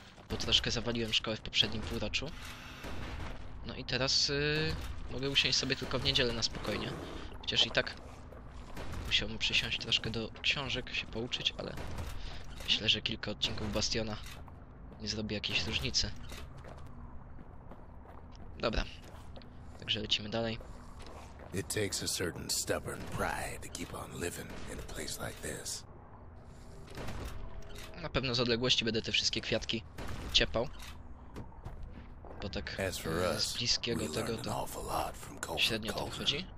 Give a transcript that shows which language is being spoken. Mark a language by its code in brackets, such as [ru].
[pl] Bo troszkę zawaliłem szkołę w poprzednim półroczu. No i teraz mogę usiąść sobie tylko w niedzielę na spokojnie. Chociaż i tak musiałbym przysiąść troszkę do książek, się pouczyć, ale myślę, że kilka odcinków Bastiona nie zrobi jakiejś różnicy. Dobra. Także lecimy dalej. [en] It takes a certain stubborn pride to keep on living in a place like this. [pl] Na pewno z odległości będę te wszystkie kwiatki ciepał. Bo tak z bliskiego tego to średnio to wychodzi.